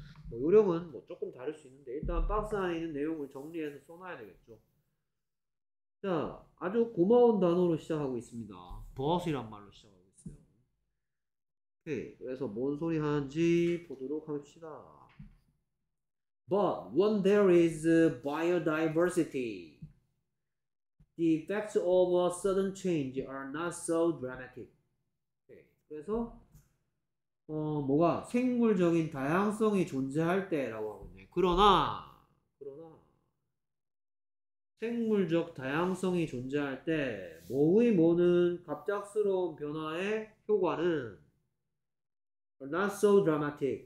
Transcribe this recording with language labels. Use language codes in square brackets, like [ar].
[ko] 뭐 요령은 뭐 조금 다를 수 있는데 일단 박스 안에 있는 내용을 정리해서 써놔야 되겠죠. 자, 아주 고마운 단어로 시작하고 있습니다. 버스이란 말로 시작하고 있어요. 오케이, 그래서 뭔 소리 하는지 보도록 합시다. [en] But when there is biodiversity, the effects of a sudden change are not so dramatic. [ko] 그래서 뭐가 생물적인 다양성이 존재할 때라고 하고 있네. 그러나 생물적 다양성이 존재할 때 뭐의 뭐는 갑작스러운 변화의 효과는 [en] are not so dramatic.